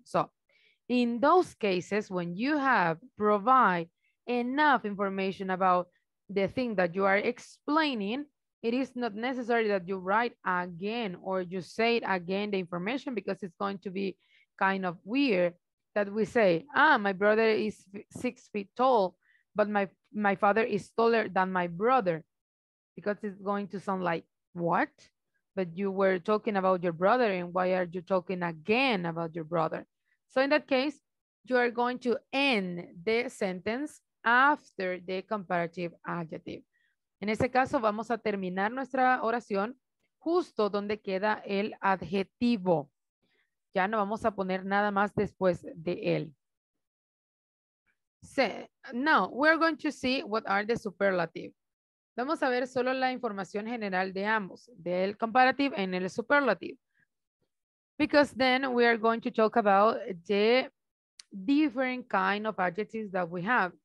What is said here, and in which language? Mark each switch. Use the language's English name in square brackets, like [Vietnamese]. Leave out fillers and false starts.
[English] So in those cases, when you have provide enough information about the thing that you are explaining, it is not necessary that you write again or you say it again the information, because it's going to be kind of weird that we say, ah, my brother is 6 feet tall, but my father is taller than my brother, because it's going to sound like, what? But you were talking about your brother, and why are you talking again about your brother? So in that case, you are going to end the sentence after the comparative adjective. [Spanish] En ese caso, vamos a terminar nuestra oración justo donde queda el adjetivo. Ya no vamos a poner nada más después de él. [English] So, now, we're going to see what are the superlative. [Spanish] Vamos a ver solo la información general de ambos, del comparative and el superlative. [English] Because then we are going to talk about the different kind of adjectives that we have.